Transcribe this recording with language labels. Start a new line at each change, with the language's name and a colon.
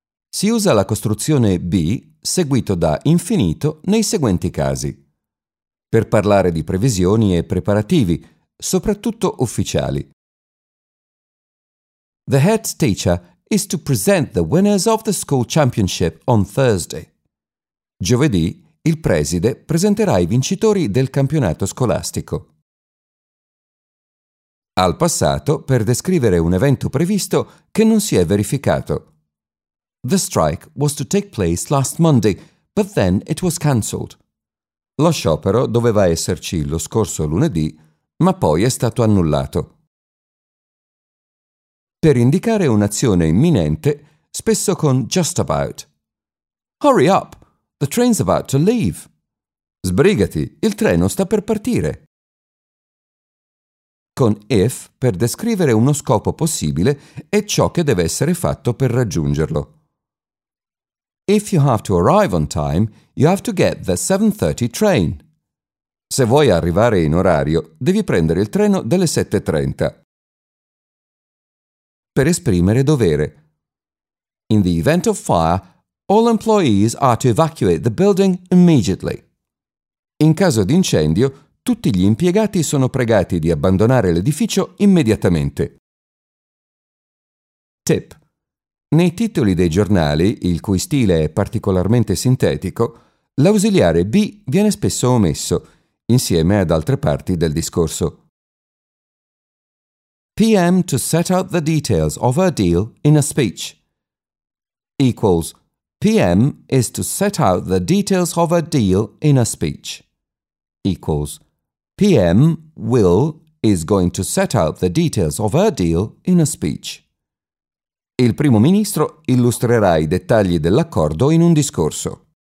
Italian: Si usa la costruzione be seguito da infinito nei seguenti casi. Per parlare di previsioni e preparativi, soprattutto ufficiali.
English: The head teacher is to present the winners of the school championship on Thursday.
Italian: Giovedì, il preside presenterà i vincitori del campionato scolastico. Al passato per descrivere un evento previsto che non si è verificato.
English: The strike was to take place last Monday, but then it was cancelled.
Italian: Lo sciopero doveva esserci lo scorso lunedì, ma poi è stato annullato. Per indicare un'azione imminente, spesso con just about.
English: Hurry up! The train's about to leave.
Italian: Sbrigati, il treno sta per partire. Con if per descrivere uno scopo possibile e ciò che deve essere fatto per raggiungerlo.
English: If you have to arrive on time, you have to get the 7:30 train.
Italian: Se vuoi arrivare in orario, devi prendere il treno delle 7:30. Per esprimere dovere.
English: In the event of fire, all employees are to evacuate the building immediately.
Italian: In caso di incendio, tutti gli impiegati sono pregati di abbandonare l'edificio immediatamente. Tip. Nei titoli dei giornali, il cui stile è particolarmente sintetico, l'ausiliare be viene spesso omesso, insieme ad altre parti del discorso.
English: PM to set out the details of her deal in a speech. Equals PM is to set out the details of her deal in a speech. Equals PM will is going to set out the details of her deal in a speech.
Italian: Il primo ministro illustrerà i dettagli dell'accordo in un discorso.